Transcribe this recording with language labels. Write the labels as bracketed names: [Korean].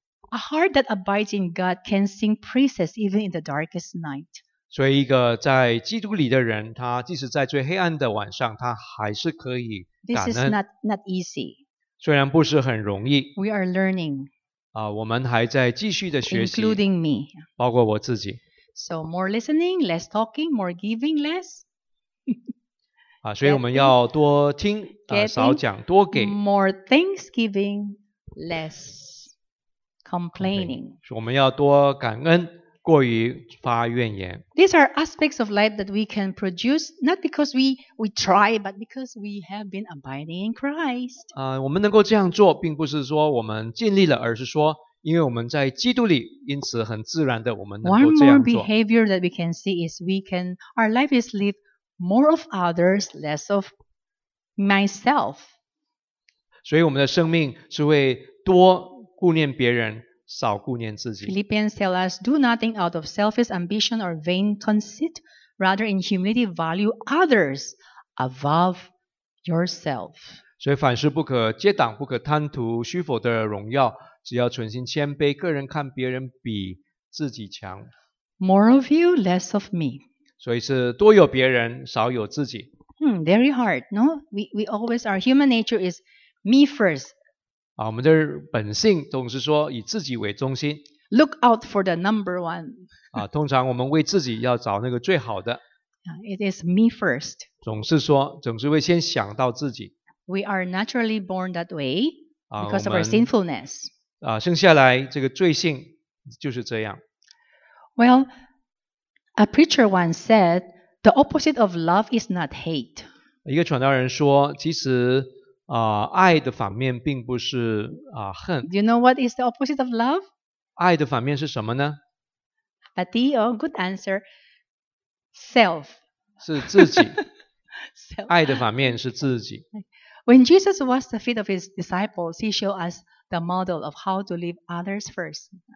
[English] A heart that abides in God can sing praises even in the darkest night. [Chinese] 所以一个在基督里的人，他即使在最黑暗的晚上，他还是可以感恩。 [English] This is not easy. [Chinese] 虽然不是很容易 [English] We are learning, [Chinese] 我们还在继续的学习 [English] including me. [Chinese] 包括我自己 [English] So more listening, less talking, more giving less [Chinese] 所以我们要多听 少讲多给 [English] More thanksgiving, less complaining [Chinese] okay, 我们要多感恩过于发怨言 [English] These are aspects of life that we can produce not because we try but because we have been abiding in Christ. [Chinese] 我们能够这样做并不是说我们尽力了而是说因为我们在基督里因此很自然的我们能够这样做 [English] One more behavior that we can see is our life is live more of others less of myself. [Chinese] 所以我们的生命是为多顾念别人少顾念自己。 [English] Philippians tell us, do nothing out of selfish ambition or vain conceit, rather in humility value others above yourself. [Chinese] 所以凡事不可结党，不可贪图虚浮的荣耀，只要存心谦卑，个人看别人比自己强。 [English] More of you, less of me. [Chinese] 所以是多有别人，少有自己。 [English] Very hard, no? We always, our human nature is me first. [Chinese] 我们的本性总是说以自己为中心。 [English] Look out for the number one. [Chinese] 通常我们为自己要找那个最好的。 [English] It is me first. [Chinese] 总是会先想到自己。 [English] We are naturally born that way because of our sinfulness. [Chinese] 生下来这个罪性就是这样。 Well, [English] A preacher once said, "The opposite of love is not hate." [Chinese] 一个传道人说，其实爱的反面并不是恨。 [English] Do you know what is the opposite of love? [Chinese] 爱的反面是什么呢？ [English] A deal, good answer. Self. [Chinese] 是自己。爱的反面是自己。 [English] When Jesus washed the feet of his disciples, he showed us the model of how to leave others first.